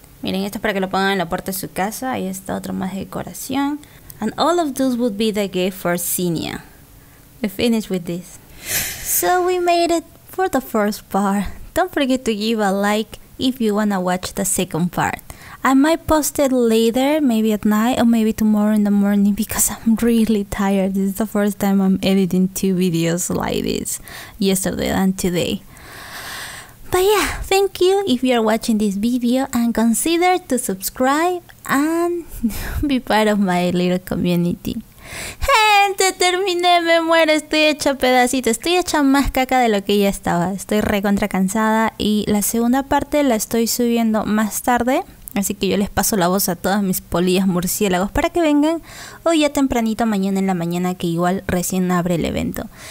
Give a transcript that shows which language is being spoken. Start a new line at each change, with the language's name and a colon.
Spanish: Miren, esto es para que lo pongan en la puerta de su casa. Ahí está otro más de decoración.
English: And all of those would be the gift for Zinnia. We finished with this. So we made it for the first part. Don't forget to give a like if you wanna watch the second part. I might post it later, maybe at night or maybe tomorrow in the morning because I'm really tired. This is the first time I'm editing two videos like this, yesterday and today. But yeah, thank you if you are watching this video and consider to subscribe and be part of my little community.
Spanish: Gente, terminé, me muero, estoy hecha pedacito, estoy hecha más caca de lo que ya estaba. Estoy recontra cansada y la segunda parte la estoy subiendo más tarde. Así que yo les paso la voz a todas mis polillas murciélagos para que vengan hoy ya tempranito, mañana en la mañana, que igual recién abre el evento.